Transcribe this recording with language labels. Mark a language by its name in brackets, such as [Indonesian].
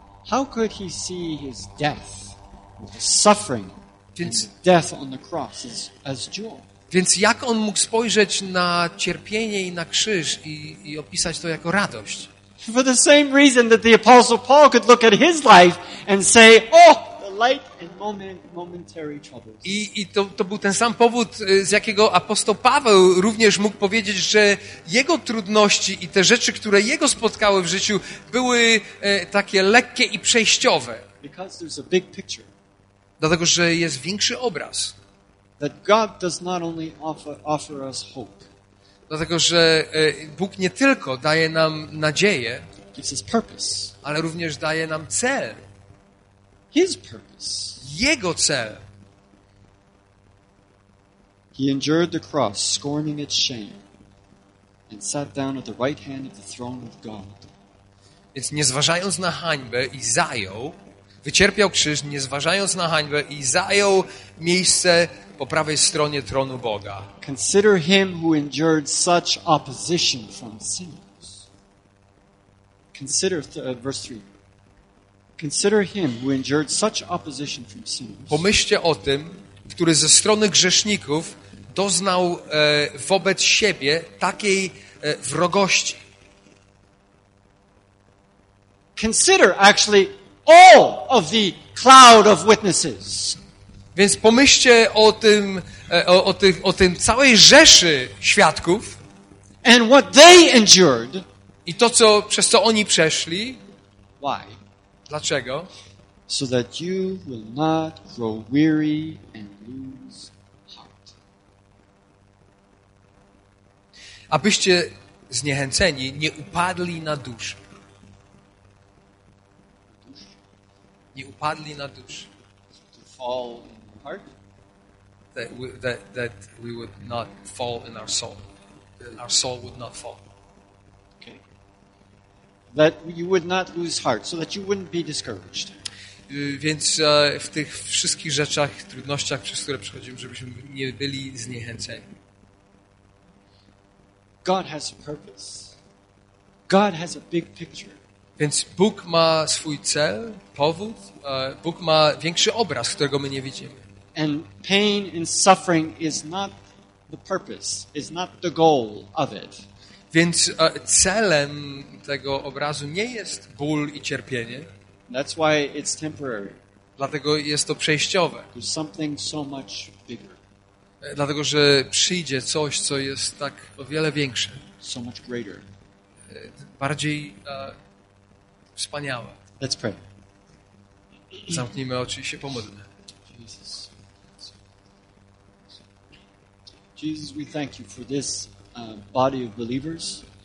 [English] How could he see his death, his suffering, więc, and his death on the cross as joy? [Polish] Więc jak on mógł spojrzeć na cierpienie i na krzyż i opisać to jako radość? [English] For the same reason that the apostle Paul could look at his life and say, oh, light and momentary troubles. [Polish] I to był ten sam powód, z jakiego apostoł Paweł również mógł powiedzieć, że jego trudności i te rzeczy, które jego spotkały w życiu, były takie lekkie i przejściowe. [English] Because there's a big picture. [Polish] Dlatego, że jest większy obraz. [English] That God does not only offer us hope. [Polish] Dlatego, że Bóg nie tylko daje nam nadzieję, [English] gives us purpose. [Polish] Ale również daje nam cel. [English] His purpose. [Polish] Jego cel. [English] He endured the cross, scorning its shame, and sat down at the right hand of the throne of God. [Polish] Więc nie zważając na hańbę i zajął, wycierpiał krzyż, nie zważając na hańbę i zajął miejsce po prawej stronie tronu Boga. [English] Consider him who endured such opposition from sinners. Consider verse 3. Consider him who endured such opposition from sinners. [Polish] Pomyślcie o tym, który ze strony grzeszników doznał wobec siebie takiej wrogości. [English] Consider actually all of the cloud of witnesses. [Polish] Więc pomyślcie o tym o tym całej rzeszy świadków. [English] And what they endured. [Polish] I to co przez co oni przeszli. [English] Why? [Polish] Dlaczego? [English] So that you will not grow weary and lose heart. [Polish] Abyście zniechęceni nie upadli na duszę. Nie upadli na duszę. [English] To fall in the heart? That we would not fall in our soul. That our soul would not fall. That you would not lose heart, so that you wouldn't be discouraged. [Polish] Więc w tych wszystkich rzeczach, trudnościach, przez które przechodzimy, żebyśmy nie byli zniechęceni. [English] God has a purpose. God has a big picture. [Polish] Więc Bóg ma swój cel, powód. Bóg ma większy obraz, którego my nie widzimy. [English] And pain and suffering is not the purpose, is not the goal of it. [Polish] Więc celem tego obrazu nie jest ból i cierpienie. [English] That's why it's temporary. [Polish] Dlatego jest to przejściowe. [English] There's something so much bigger. [Polish] Dlatego, że przyjdzie coś, co jest tak o wiele większe. [English] So much greater. [Polish] Bardziej wspaniałe. [English] Let's pray. [Polish] Zamknijmy oczy i się pomodlmy. [English] Jesus. Jesus, we thank you for this body of believers.